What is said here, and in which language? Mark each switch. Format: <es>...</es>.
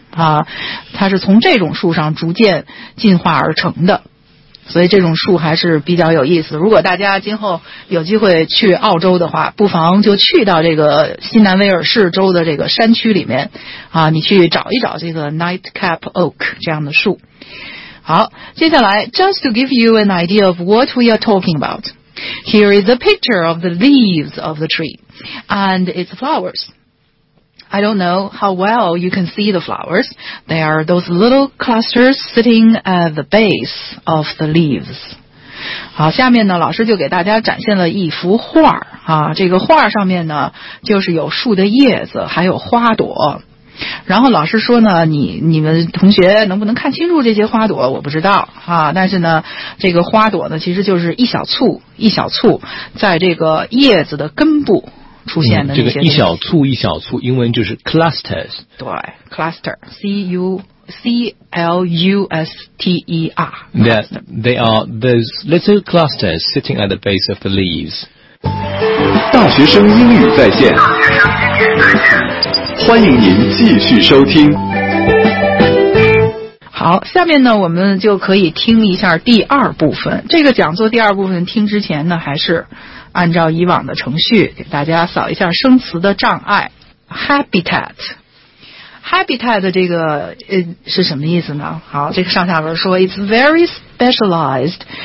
<zh>啊，它是从这种树上逐渐进化而成的，所以这种树还是比较有意思。如果大家今后有机会去澳洲的话，不妨就去到这个新南威尔士州的这个山区里面，啊，你去找一找这个 nightcap oak 这样的树。好，接下来</zh> <en>，just to give you an idea of what we are talking about, here is a picture of the leaves of the tree and its flowers. I don't know how well you can see the flowers. They are those little clusters sitting at the base of the leaves.</en> <zh>好，下面呢，老师就给大家展现了一幅画啊。这个画上面呢，就是有树的叶子，还有花朵。然后老师说呢，你们同学能不能看清楚这些花朵？我不知道啊。但是呢，这个花朵呢，其实就是一小簇，在这个叶子的根部。出现的这个一小簇一小簇，英文就是 clusters。对 ，cluster， C-U-C-L-U-S-T-E-R。</zh> <en>They are those little clusters sitting at the base of the leaves。</en> <zh>大学生英语在线，欢迎您继续收听。好，下面呢，我们就可以听一下第二部分。这个讲座第二部分听之前呢，还是。按照以往的程序给大家扫一下生词的障碍 habitat habitat 这个是什么意思呢好这个上下文说</zh> <en>it's very specialized</en>